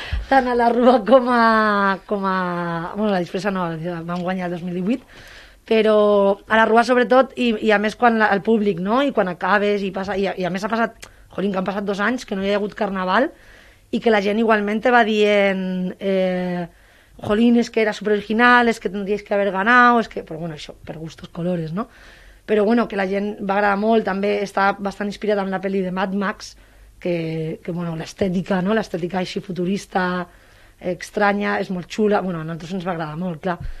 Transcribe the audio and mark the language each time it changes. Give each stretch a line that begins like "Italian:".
Catalan: Tant a la Rua com a... Bueno, la Disfressa no, vam guanyar el 2018, però a la Rua sobretot i a més quan el públic, no?, i quan acabes i passa... I a més ha passat, jolín, que han passat 2 anys que no hi ha hagut carnaval i que la gent igualment te va dient...
Spanish: Jolín, es que era súper original, es que tendríais que haber ganado, es que, pero bueno, eso,
Catalan: per gustos colores,
Spanish: ¿no?
Catalan: Pero bueno, que la gent va agradar molt, també està bastant inspirada en la pel·li de Mad Max, que bueno, l'estètica, ¿no?, l'estètica així futurista, estranya, és molt xula, bueno, a nosaltres ens va agradar molt, clar.